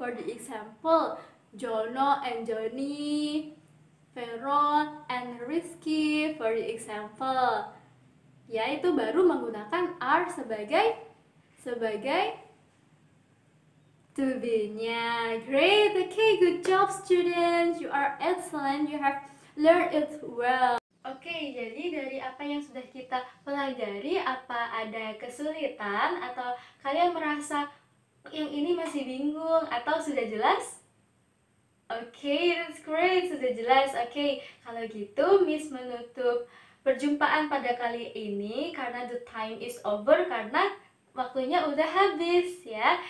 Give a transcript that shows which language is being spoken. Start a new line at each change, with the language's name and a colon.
English: For the example, Jono and Joni, Vero and Rizky, for the example.
Indonesian: Ya, itu baru menggunakan are sebagai to be-nya.
English: Great, okay, good job students. You are excellent, you have learned it well.
Indonesian: Okay, jadi dari apa yang sudah kita pelajari, apa ada kesulitan atau kalian merasa yang ini masih bingung atau sudah jelas? Okay, that's great, sudah jelas. Okay, kalau gitu Miss menutup perjumpaan pada kali ini karena
English: the time is over,
Indonesian: karena waktunya udah habis ya.